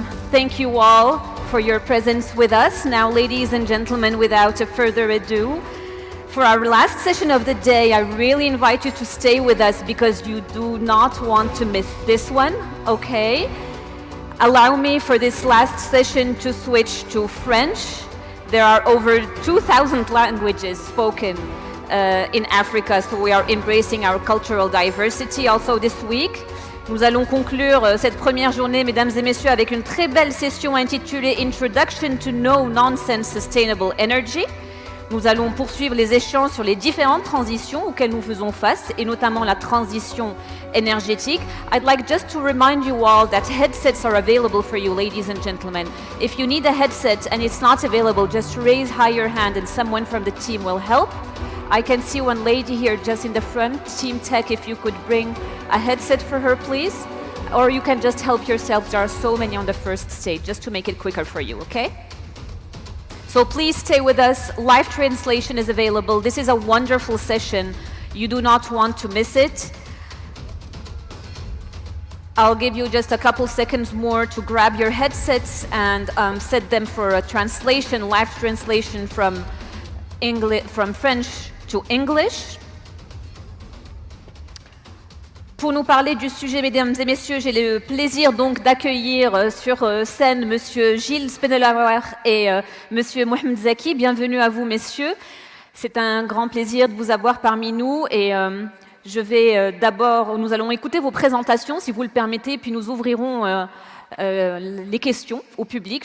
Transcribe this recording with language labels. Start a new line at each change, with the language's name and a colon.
English: Thank you all for your presence with us. Now, ladies and gentlemen, without further ado, for our last session of the day, I really invite you to stay with us because you do not want to miss this one, okay? Allow me for this last session to switch to French. There are over 2,000 languages spoken in Africa, so we are embracing our cultural diversity also this week.
French: Nous allons conclure cette première journée, mesdames et messieurs, avec une très belle session intitulée Introduction to No-Nonsense Sustainable Energy. Nous allons poursuivre les échanges sur les différentes transitions auxquelles nous faisons face, et notamment la transition énergétique.
English: I'd like just to remind you all that headsets are available for you, ladies and gentlemen. If you need a headset and it's not available, just raise high your hand and someone from the team will help. I can see one lady here just in the front, Team Tech, if you could bring a headset for her, please. Or you can just help yourself, there are so many on the first stage, just to make it quicker for you, okay? So please stay with us, live translation is available. This is a wonderful session, you do not want to miss it. I'll give you just a couple seconds more to grab your headsets and set them for a translation, live translation from French to English.
French: Pour nous parler du sujet, mesdames et messieurs, j'ai le plaisir donc d'accueillir sur scène Monsieur Gilles Spellehauerl et Monsieur Mohamed Zaki. Bienvenue à vous, messieurs. C'est un grand plaisir de vous avoir parmi nous et je vais d'abord, nous allons écouter vos présentations, si vous le permettez, puis nous ouvrirons les questions au public.